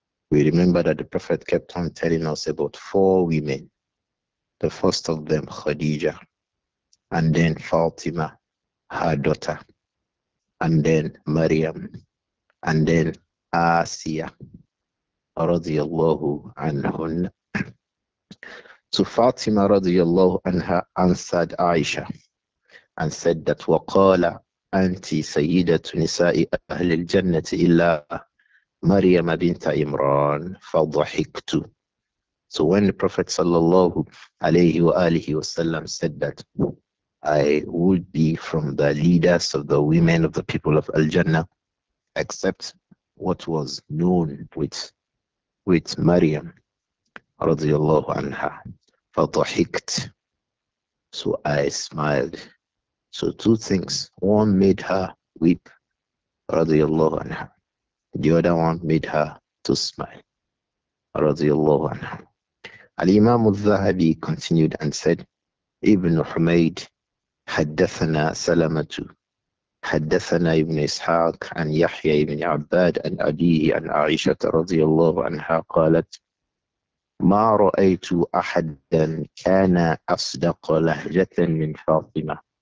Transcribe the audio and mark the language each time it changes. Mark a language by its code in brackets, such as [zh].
[en] We remember that the Prophet kept on telling us about four women, the first of them Khadija, and then Fatima, her daughter, and then Maryam, and then Asiya, radiallahu anhun. So Fatima, radiallahu anha, answered Aisha and said that, [ar] وَقَالَ أَنْتِ سَيِّدَةُ نِسَاءِ أَهْلِ الْجَنَّةِ إِلَّا مَرْيَمَ بِنْتَ إِمْرَانِ فَضُحِكْتُ. [en] So when the Prophet, sallallahu alayhi wa alihi wa sallam, said that, I would be from the leaders of the women of the people of Al-Jannah, except what was known with Maryam, radiallahu anha, [ar] فضحكت. [en] So I smiled. So two things. One made her weep, radiallahu anha. The other one made her to smile, radiallahu anha. Al-Imam al-Zahabi continued and said, Ibn Humayd, [ar] حدثنا سلمة حدثنا ابن إسحاق عن يحيى بن عباد عن أبيه عن عائشة رضي الله عنها قالت ما رأيت أحدا كان أصدق لهجة من فاطمة